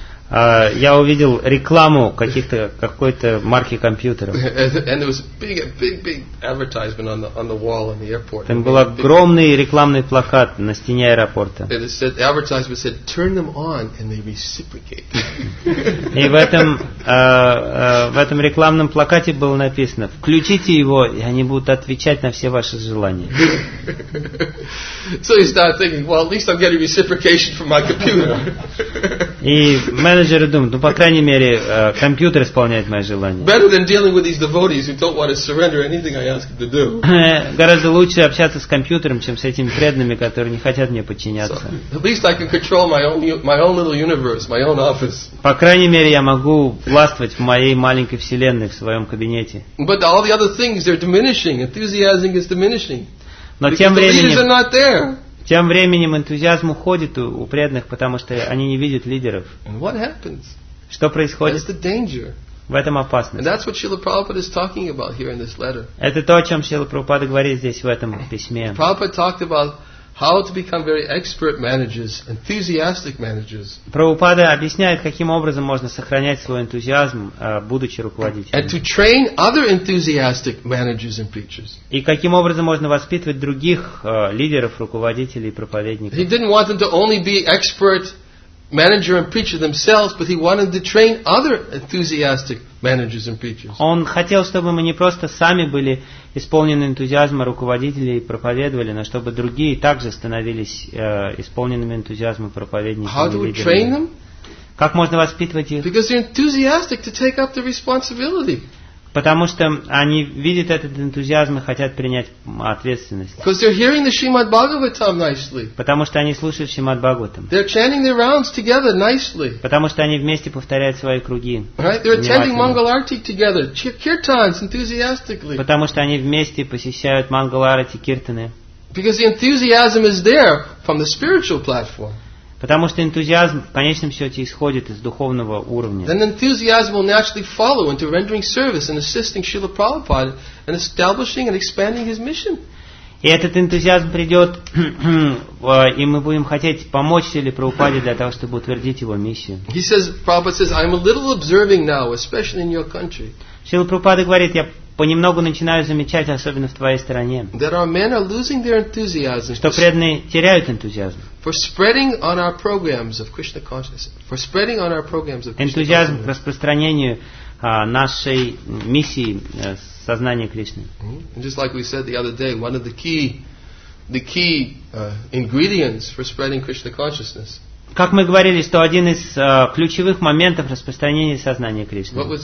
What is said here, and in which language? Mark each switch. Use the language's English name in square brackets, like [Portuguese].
[Russian] Я увидел рекламу какой-то марки компьютеров. [English] And there was big advertisement on the wall in the airport. [Russian] Там был огромный рекламный плакат на стене аэропорта. [English] And the advertisement said, "Turn them on and they reciprocate." [Russian] И в этом рекламном плакате было написано: "Включите его, и они будут отвечать на все ваши желания." [English] So you start thinking, "Well, at least I'm getting reciprocation from my computer." [Russian] И мы менеджеры думают, ну, по крайней мере, компьютер исполняет мои желания. Гораздо лучше общаться с компьютером, чем с этими преданными, которые не хотят мне подчиняться. По крайней мере, я могу властвовать в моей маленькой вселенной, в своем кабинете. [English] But all the other things, they're diminishing. Enthusiasm is diminishing. [Russian] Но тем временем энтузиазм уходит у преданных, потому что они не видят лидеров. [English] And what happens? [Russian] Что происходит? [English] That's the danger. [Russian] В этом опасность. [English] And that's what Srila Prabhupada is talking about here in this letter. [Russian] Это то, о чем Шрила Прабхупада говорит здесь в этом письме. [English] Prabhupada talked about how to become very expert managers, enthusiastic managers. [Russian] Прабхупада объясняет, каким образом можно сохранять свой энтузиазм, будучи руководителем. [English] And to train other enthusiastic managers and preachers. [Russian] И каким образом можно воспитывать других лидеров, руководителей и проповедников. [English] He didn't want them to only be expert manager and preacher themselves, but he wanted to train other enthusiastic managers and preachers. [Russian] Он хотел, чтобы мы не просто сами были исполнены энтузиазма руководителей и проповедовали, но чтобы другие также становились исполненными энтузиазма проповедниками. [English] How do we train them? [Russian] Как можно воспитывать их? [English] Because they're enthusiastic to take up the responsibility. [Russian] Потому что они видят этот энтузиазм и хотят принять ответственность. [English] Because they're hearing the Shrimad Bhagavatam nicely. [Russian] Потому что они слушают Шримад Бхагаватам. [English] They're chanting their rounds together nicely. [Russian] Потому что они вместе повторяют свои круги. [English] Right? They're attending Mangal Arati together, kirtans enthusiastically. [Russian] Потому что они вместе посещают Mangal Arati киртаны. [English] Because the enthusiasm is there from the spiritual platform. [Russian] Потому что энтузиазм в конечном счете исходит из духовного уровня. [English] Then enthusiasm will naturally follow into rendering service and assisting Srila Prabhupada and establishing and expanding his mission. [Russian] И этот энтузиазм придет, и мы будем хотеть помочь Шриле Прабхупаде для того, чтобы утвердить его миссию. [English] He says, Prabhupada says, I'm a little observing now, especially in your country. [Russian] Шрила Прабхупада говорит, я понемногу начинаю замечать, особенно в твоей стране, что преданные теряют энтузиазм. Энтузиазм к распространению нашей миссии сознания Кришны. [English] Just like we said the other day, one of the key ingredients for spreading Krishna consciousness. [Russian] Как мы говорили, что один из ключевых моментов распространения сознания Кришны.